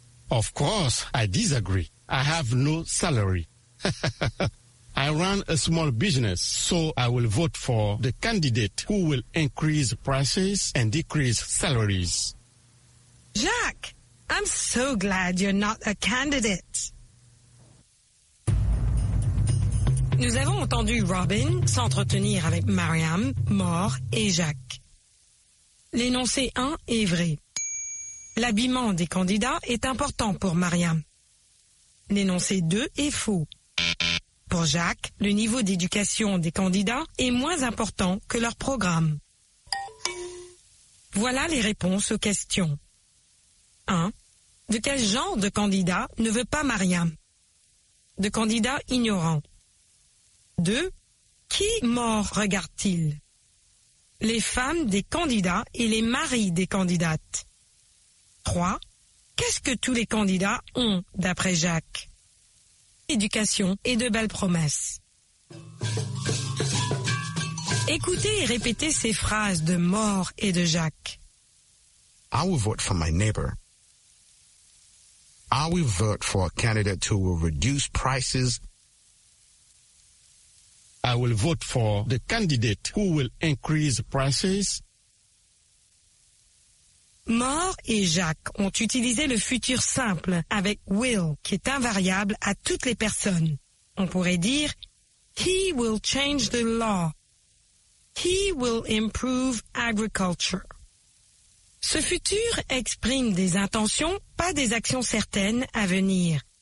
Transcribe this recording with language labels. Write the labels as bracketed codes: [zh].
[en] Of course, I disagree. I have no salary. I run a small business, so I will vote for the candidate who will increase prices and decrease salaries. Jacques, I'm so glad you're not a candidate. [fr] Nous avons entendu Robin s'entretenir avec Mariam, Moore et Jacques. L'énoncé 1 est vrai. L'habillement des candidats est important pour Mariam. L'énoncé 2 est faux. Pour Jacques, le niveau d'éducation des candidats est moins important que leur programme. Voilà les réponses aux questions. 1. De quel genre de candidat ne veut pas Mariam? De candidat ignorant. 2. Qui mort regarde-t-il? Les femmes des candidats et les maris des candidates. 3. Qu'est-ce que tous les candidats ont, d'après Jacques? Éducation et de belles promesses. Écoutez et répétez ces phrases de Moore et de Jacques. [en] I will vote for my neighbor. I will vote for a candidate who will reduce prices. I will vote for the candidate who will increase prices. [fr] Moore et Jacques ont utilisé le futur simple avec will, qui est invariable à toutes les personnes. On pourrait dire, [en] he will change the law. He will improve agriculture. [fr] Ce futur exprime des intentions, pas des actions certaines à venir.